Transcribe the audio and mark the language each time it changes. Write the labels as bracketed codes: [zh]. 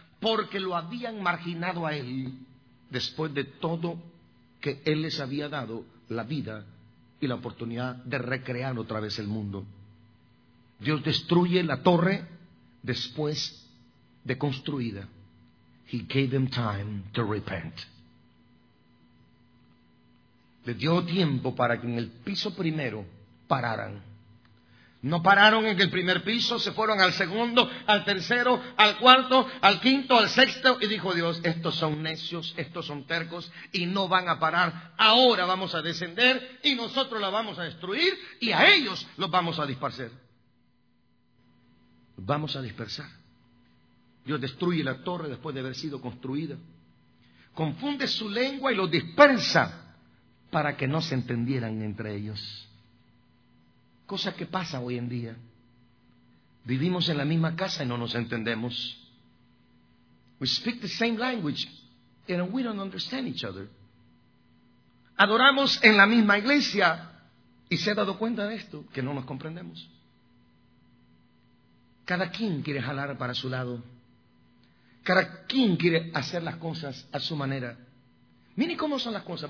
[es] Porque lo habían marginado a Él después de todo que Él les había dado, la vida y la oportunidad de recrear otra vez el mundo. Dios destruye la torre después de construida. [en] He gave them time to repent. [es] Le dio tiempo para que en el piso primero pararan. No pararon en el primer piso, se fueron al segundo, al tercero, al cuarto, al quinto, al sexto. Y dijo Dios, estos son necios, estos son tercos y no van a parar. Ahora vamos a descender y nosotros la vamos a destruir y a ellos los vamos a dispersar. Vamos a dispersar. Dios destruye la torre después de haber sido construida. Confunde su lengua y lo dispersa. Para que no se entendieran entre ellos. Cosa que pasa hoy en día. Vivimos en la misma casa y no nos entendemos. [en] We speak the same language and we don't understand each other. [es] Adoramos en la misma iglesia y se ha dado cuenta de esto, que no nos comprendemos. Cada quien quiere jalar para su lado. Cada quien quiere hacer las cosas a su manera. Miren cómo son las cosas.